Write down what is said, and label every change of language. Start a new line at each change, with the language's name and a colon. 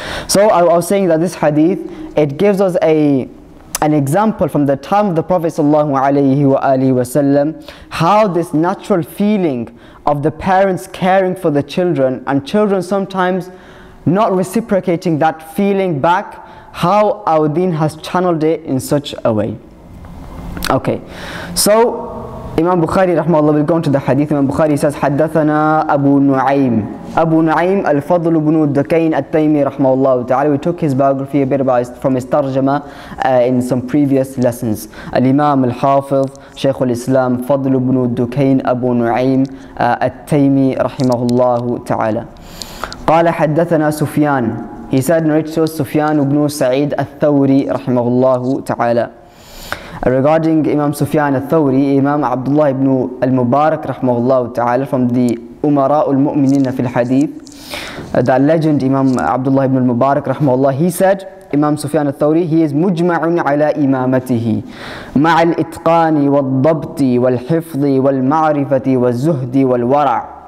English: So I was saying that this hadith, it gives us an example from the time of the Prophet sallallahu alayhi wa alihi wa sallam, how this natural feeling of the parents caring for the children, and children sometimes not reciprocating that feeling back, how our deen has channeled it in such a way. Okay, so Imam Bukhari rahmahullah, will go into the hadith. Imam Bukhari says,
Arabic: حَدَّثَنَا أَبُو نُعَيْم الْفَضْلُ بْنُ الدَّكَيْنَ التَّيْمِي رَحْمَهُ تعالى.
English: We took his biography a bit about from his tarjama in some previous lessons.
Arabic: Al-Imam Al-Hafiz, Shaykh Al-Islam, فَضْلُ بْنُ الدَّكَيْنَ أَبُو نُعَيْم التَّيْمِي رَحِمَهُ اللَّهُ تعالى. قال حدثنا سفيان.
English: He said, narrated to us
Arabic: سفيان بن سعيد الثوري رحمه الله تعالى.
English: Regarding Imam Sufyan al-Thawri, Imam Abdullah ibn al-Mubarak
Arabic: رحمه الله تعالى,
English: from the
Arabic: أمراء المؤمنين في الحديث,
English: that legend Imam Abdullah ibn al-Mubarak
Arabic: رحمه الله,
English: he said, Imam Sufyan al-Thawri, he is
Arabic: مجمع على إمامته مع الإتقان والضبط والحفظ والمعرفة والزهد والورع.